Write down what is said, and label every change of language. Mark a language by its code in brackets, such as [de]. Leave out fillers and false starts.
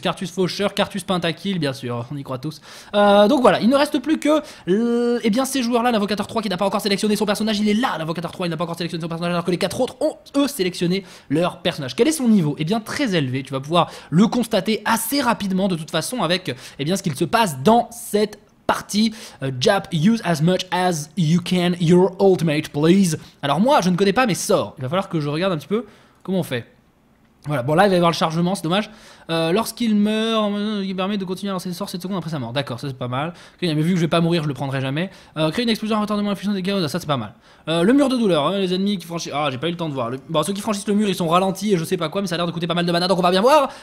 [fr] Cartus Faucheur, Cartus Pentakill, bien sûr. On y croit tous. Donc voilà, il ne reste plus que... eh bien, ces joueurs-là, l'Invocateur 3 qui n'a pas encore sélectionné son personnage. Il est là, l'Invocateur 3, il n'a pas encore sélectionné son personnage. Alors que les 4 autres ont, eux, sélectionné leur personnage. Quel est son niveau? Eh bien, très élevé. Tu vas pouvoir le constater assez rapidement, de toute façon, avec... Et bien ce qu'il se passe dans cette partie. [en] Jab, use as much as you can your ultimate, please. [fr] Alors moi, je ne connais pas mes sorts. Il va falloir que je regarde un petit peu comment on fait. Voilà, bon là, il va y avoir le chargement, c'est dommage. Lorsqu'il meurt, il permet de continuer à lancer ses sorts 7 secondes après sa mort. D'accord, ça c'est pas mal. Mais vu que je vais pas mourir, je le prendrai jamais. Créer une explosion à retardement infusion des chaos, ça c'est pas mal. Le mur de douleur, hein, les ennemis qui franchissent... Ah, j'ai pas eu le temps de voir. Bon, ceux qui franchissent le mur, ils sont ralentis et je sais pas quoi, mais ça a l'air de coûter pas mal de mana, donc on va bien voir.